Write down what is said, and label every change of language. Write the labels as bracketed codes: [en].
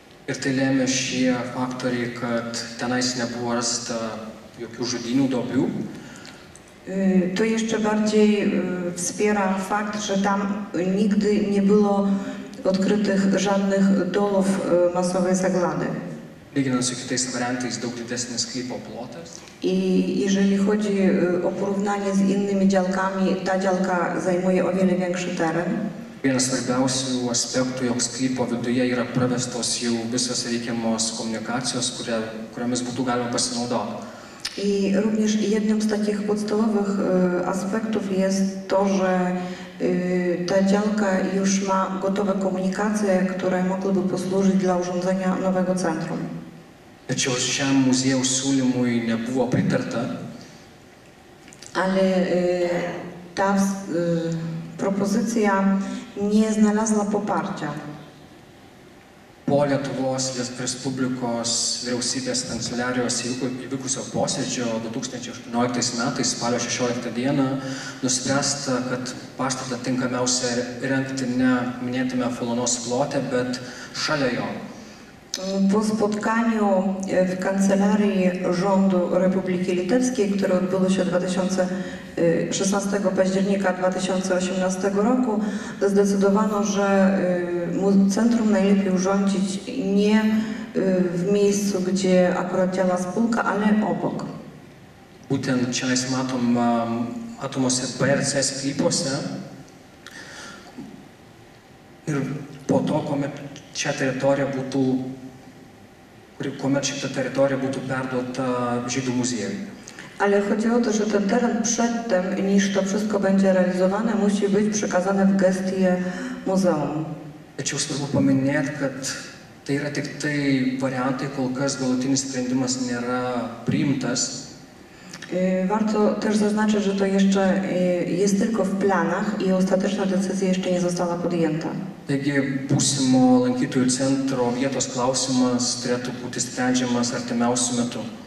[lt] Ir tai lėmė šie faktoriai, kad tenais nebuvo rasta jokių žudynių duobių. [pl] To jeszcze bardziej wspiera fakt, że tam nigdy nie było odkrytych żadnych dolów masowej zaglady. [lt] Lyginant su kitais variantais, daug didesnis sklypo plotas. [pl] I jeżeli chodzi o porównanie z innymi działkami, ta działka zajmuje o wiele większy teren. [lt] Vienas svarbiausių aspektų, jog sklypo viduje yra pravestos jau visos reikiamos komunikacijos, kuriomis būtų galima pasinaudoti. [pl] I również jednym z takich podstawowych aspektów jest to, że ta działka już ma gotowe komunikacje, które mogłyby posłużyć dla urządzenia nowego centrum. [lt] Tačiau šiam muziejaus siūlymui nebuvo pritarta. [pl] Ale ta propozycja nie znalazła poparcia. [lt] Po Lietuvos Respublikos vyriausybės kanceliarijos įvykusio posėdžio 2018 metais spalio 16 dieną nuspręsta, kad pastatą tinkamiausia rengti ne minėtame Folonos plote, bet šalia jo. [pl] Po spotkaniu w kancelarii rządu Republiki Litewskiej, które odbyło się 16 października 2018 roku, zdecydowano, że centrum najlepiej urządzić nie w miejscu, gdzie akurat działa spółka, ale obok. [lt] Būtent čia mes matomose BRC sklypose. Ir po to, kuomet čia teritorija būtų kuomet šita teritorija būtų perduota žydų muziejui. [pl] ale chodziło o to, że ten teren przed tym, niż to wszystko będzie realizowane, musi być przekazany w gestię muzeum. [lt] Tačiau svarbu paminėti, kad tai yra tik tai variantai, kol kas galutinis sprendimas nėra priimtas. [pl] Warto też zaznaczyć, że to jeszcze jest tylko w planach i ostateczna decyzja jeszcze nie została podjęta. [lt] Taigi būsimo lankytojų centro vietos klausimas turėtų būti sprendžiamas artimiausiu metu.